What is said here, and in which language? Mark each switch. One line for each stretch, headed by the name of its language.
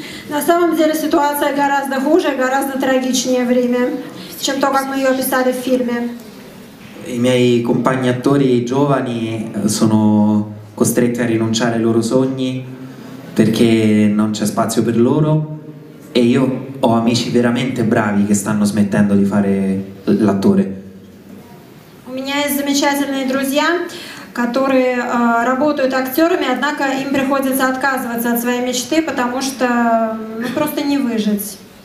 Russian: На самом деле ситуация гораздо хуже, гораздо трагичнее в Риме, чем то, как мы ее описали в фильме.
Italian: I miei compagni attori giovani sono costretti a rinunciare ai loro sogni perché non c'è spazio per loro, e io ho amici veramente bravi che stanno smettendo di fare l'attore.
Russian: У меня есть замечательные друзья, которые работают актерами, однако им приходится отказываться от своей мечты, потому что просто не выжить.